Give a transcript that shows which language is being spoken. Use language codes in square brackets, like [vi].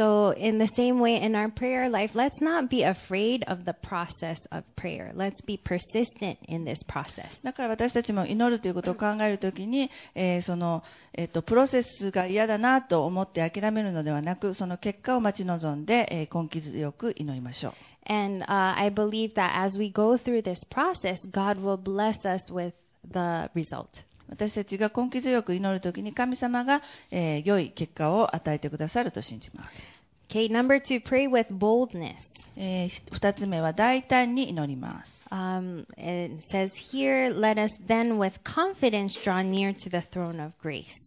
[en] So in the same way in our prayer life, let's not be afraid of the process of prayer. Let's be persistent in this process. [ja] だから私たちも祈るということを考えるときに、その、プロセスが嫌だなと思って諦めるのではなく、その結果を待ち望んで、根気強く祈りましょう。 [en] And, I believe that as we go through this process, God will bless us with the result. [ja] 私たちが根気強く祈るときに神様が、良い結果を与えてくださると信じます。 [en] Okay, number two, pray with boldness. [ja] 二つ目は大胆に祈ります。 [en] It says here, let us then with confidence draw near to the throne of grace.